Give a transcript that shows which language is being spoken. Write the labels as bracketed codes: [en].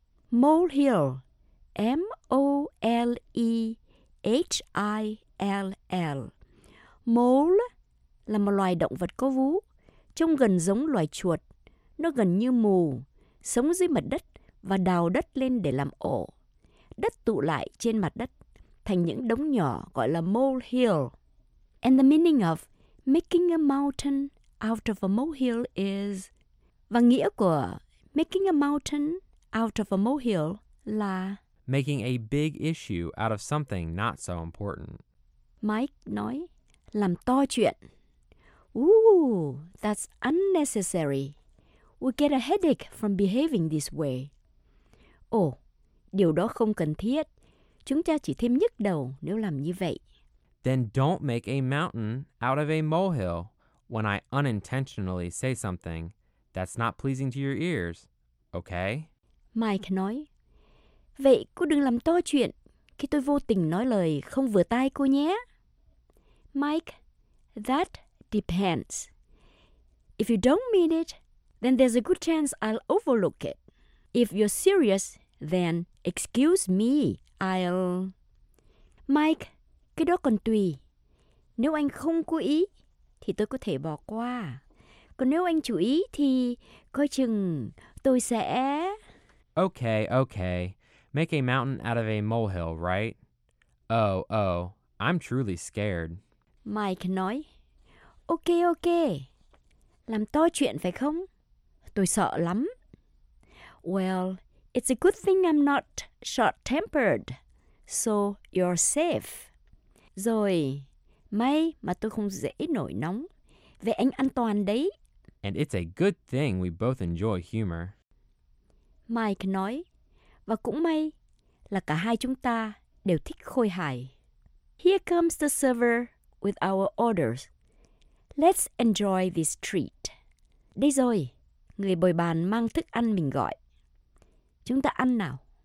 [en] Molehill, M-O-L-E-H-I-L-L. [vi] Mole là một loài động vật có vú, trông gần giống loài chuột. Nó gần như mù, sống dưới mặt đất và đào đất lên để làm ổ. Đất tụ lại trên mặt đất thành những đống nhỏ gọi là molehill. [en] And the meaning of making a mountain out of a molehill is... [vi] Và nghĩa của [en] making a mountain out of a molehill [vi] là... [en] Making a big issue out of something not so important. [vi] Mike nói, làm to chuyện. [en] That's unnecessary. We get a headache from behaving this way. [vi] Oh, điều đó không cần thiết. Chúng ta chỉ thêm nhức đầu nếu làm như vậy. [en] Then don't make a mountain out of a molehill when I unintentionally say something that's not pleasing to your ears, okay? [vi] Mike nói, vậy cô đừng làm to chuyện khi tôi vô tình nói lời không vừa tai cô nhé. [en] Mike, that depends. If you don't mean it, then there's a good chance I'll overlook it. If you're serious, then excuse me, I'll... [vi] Mike, cái đó còn tùy. Nếu anh không cố ý, thì tôi có thể bỏ qua. Còn nếu anh chú ý, thì coi chừng tôi sẽ... [en] Okay, okay. Make a mountain out of a molehill, right? Oh, I'm truly scared. [vi] Mike nói, ok, ok. Làm to chuyện phải không? Tôi sợ lắm. [en] Well, it's a good thing I'm not short-tempered, so you're safe. [vi] Rồi, may mà tôi không dễ nổi nóng. Vậy anh an toàn đấy. [en] And it's a good thing we both enjoy humor. [vi] Mike nói, và cũng may là cả hai chúng ta đều thích khôi hài. [en] Here comes the server with our orders. Let's enjoy this treat. [vi] Đây rồi, người bồi bàn mang thức ăn mình gọi. Chúng ta ăn nào.